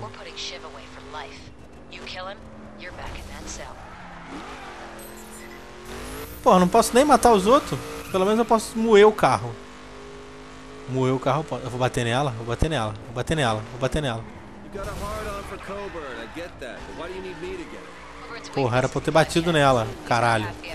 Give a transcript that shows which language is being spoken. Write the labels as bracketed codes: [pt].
[en] We're putting Shiv away for life. You kill him, you're back in that cell. [pt] Porra, não posso nem matar os outros. Pelo menos eu posso moer o carro. Moer o carro, eu vou bater nela, vou bater nela, vou bater nela, vou bater nela. [en] You got a hard on for Coburn, I get that. But why do you need me to get it? [pt] Porra, era pra eu ter batido nela, caralho.